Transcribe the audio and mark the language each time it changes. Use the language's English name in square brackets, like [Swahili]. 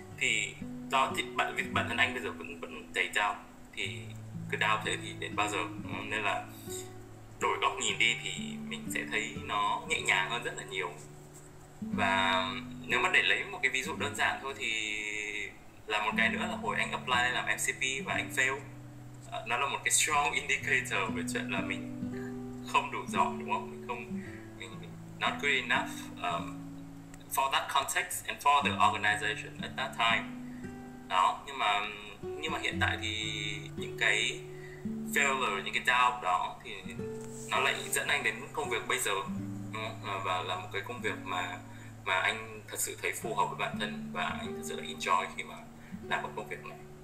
[Vietnamese] Thì đó, thì bản thân anh bây giờ vẫn thấy trao, thì cứ đau thế thì đến bao giờ, nên là đổi góc nhìn đi thì mình sẽ thấy nó nhẹ nhàng hơn rất là nhiều. Và nếu mà để lấy một cái ví dụ đơn giản thôi, thì là một cái nữa là hồi anh apply làm MCP và anh fail, nó là một cái [English] strong indicator [Vietnamese] về chuyện là mình không đủ giỏi, đúng không? Mình [English] not good enough for that context and for the organization at that time. [Vietnamese] Đó, nhưng mà hiện tại thì những cái failure, những cái doubt đó thì nó lại dẫn anh đến công việc bây giờ, đúng không? Và là một cái công việc mà anh thật sự thấy phù hợp với bản thân và anh thật sự là enjoy khi mà làm một công việc này.